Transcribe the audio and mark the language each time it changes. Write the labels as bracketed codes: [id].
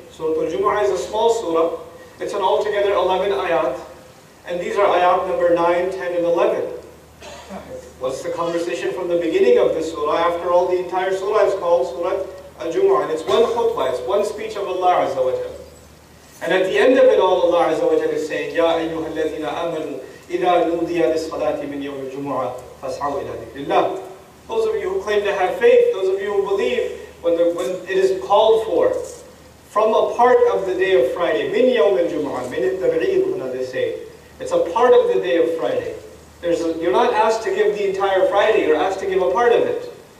[en] Surah Al-Jumu'ah is a small surah. It's an altogether 11 ayat. And these are ayat number 9, 10, and 11. What's the conversation from the beginning of this surah? After all, the entire surah is called Surah Al-Jumu'ah. And it's one khutbah, it's one speech of Allah Azza wa Jal. And at the end of it all, Allah Azza wa Jal is saying, [ar] يَا أَيُّهَا الَّذِينَ آمَنُوا إِذَا نُودِيَ لِلصَّلَاةِ مِنْ يَوْمِ الْجُمُعَةِ فَاسْعَوْا إِلَى ذِكْرِ اللَّهِ. [en] Those of you who claim to have faith, those of you who believe, when it is called for, from a part of the day of Friday, [ar] مِنْ يَوْمِ الْجُمُعَةِ مِنِ التَّبْعِيدُنَا [en] they say. It's a part of the day of Friday. You're not asked to give the entire Friday, you're asked to give a part of it.